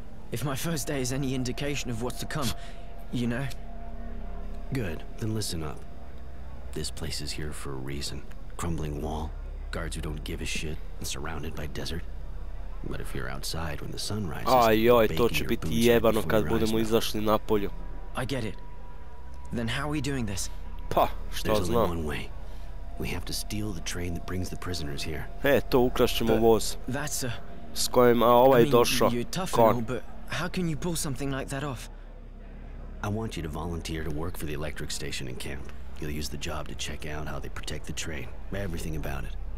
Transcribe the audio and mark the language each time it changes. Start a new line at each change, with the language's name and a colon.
English: If my first day is any indication of what's to come, you know? Good, then listen up. This place is here for a reason. Crumbling wall, guards who don't give a shit, and surrounded by desert. But if you're outside when the sun rises,
Serbian: ajoj, to će biti jebano kad budemo izašli napolje.
English: I get it. Then how are we doing this?
Serbian: Pa, što znam.
English: There's only one way. We have to steal the train that brings the prisoners here.
Serbian: E, to ukrašćemo voz.
English: That's a...
Serbian: S kojim ovaj došao.
English: You're tough and all, but how can you pull something like that off? I want you to volunteer to work for the electric station in camp. You'll use the job to check out how they protect the train. Everything about it.